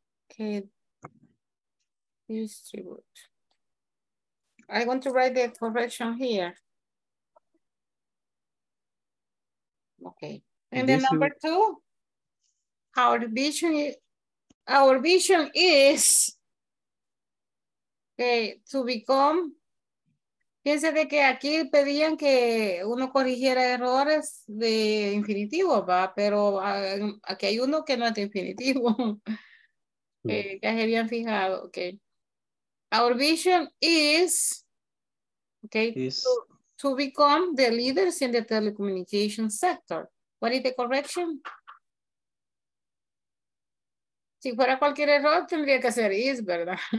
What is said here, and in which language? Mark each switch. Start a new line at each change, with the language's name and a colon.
English: Okay. Distribute. I want to write the correction here. Okay. And then number two, our vision is okay, to become.
Spanish: Piense de que aquí pedían que uno corrigiera errores de infinitivo, va, pero aquí hay uno que no es de infinitivo. Que se habían fijado, okay.
English: Our vision is, okay, to become the leaders in the telecommunication sector. What is the correction?
Spanish: Si fuera cualquier error, tendría que ser is, ¿verdad?